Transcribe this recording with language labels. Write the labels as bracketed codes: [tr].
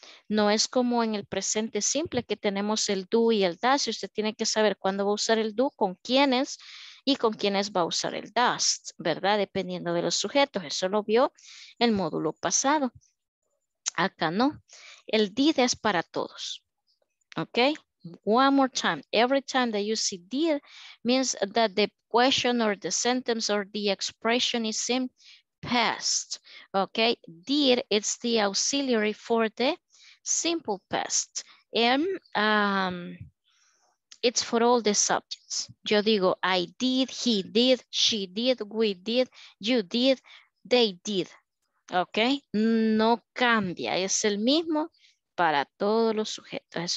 [es] No es como en el presente simple que tenemos el do y el does. Usted tiene que saber cuándo va a usar el do, con quiénes y con quiénes va a usar el does, ¿verdad? Dependiendo de los sujetos. Eso lo vio el módulo pasado. Acá no. El did es para todos. ¿Ok? [en] one more time. Every time that you see did means that the question or the sentence or the expression is in past. Okay, did, it's the auxiliary for the simple past. And it's for all the subjects. [es] Yo digo, [en] I did, he did, she did, we did, you did, they did. [es] Okay, no cambia, es el mismo para todos los sujetos.